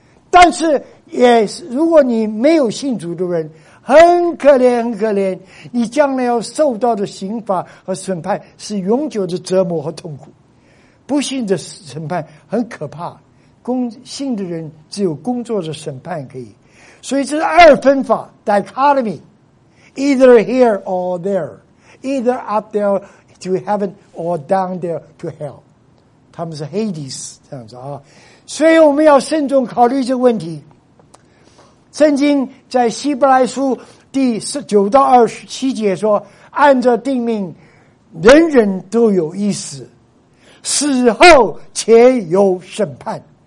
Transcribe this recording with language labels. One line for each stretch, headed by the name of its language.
Chinese: 但是也如果你没有信主的人，很可怜很可怜，你将来要受到的刑罚和审判是永久的折磨和痛苦。不信的审判很可怕，信的人只有工作的审判可以。所以这是二分法
English: dichotomy， either here or there， either up there to heaven or down there to hell，
Chinese: 他们是
English: Hades
Chinese: 这样子啊。所以我们要慎重考虑这个问题。圣经在希伯来书第9到27节说，按照定命人人都有一死，死后且有审判。